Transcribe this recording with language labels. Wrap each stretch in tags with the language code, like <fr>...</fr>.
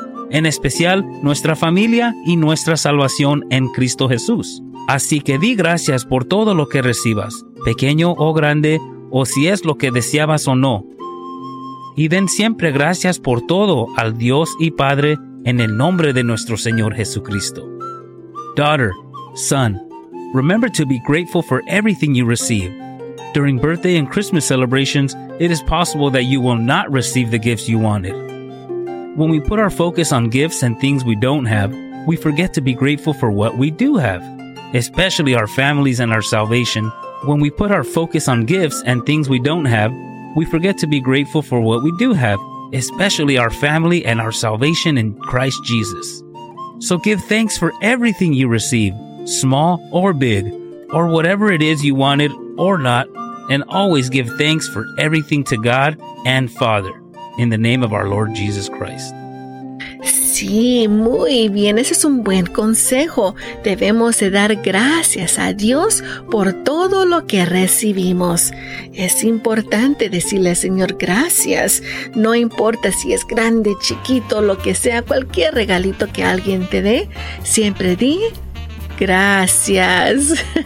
<es>En especial, nuestra familia y nuestra salvación en Cristo Jesús. Así que di gracias por todo lo que recibas, pequeño o grande, o si es lo que deseabas o no. Y den siempre gracias por todo al Dios y Padre en el nombre de nuestro Señor Jesucristo.</es> <en>Daughter, son, remember to be grateful for everything you receive. During birthday and Christmas celebrations, it is possible that you will not receive the gifts you wanted. When we put our focus on gifts and things we don't have, we forget to be grateful for what we do have, especially our families and our salvation. When we put our focus on gifts and things we don't have, we forget to be grateful for what we do have, especially our family and our salvation in Christ Jesus. So give thanks for everything you receive, small or big, or whatever it is you wanted or not, and always give thanks for everything to God and Father, in the name of our Lord Jesus Christ.</en> <es>Sí, muy bien. Ese es un buen consejo. Debemos de dar gracias a Dios por todo lo que recibimos. Es importante decirle al Señor gracias. No importa si es grande, chiquito, lo que sea, cualquier regalito que alguien te dé, siempre di gracias.</es>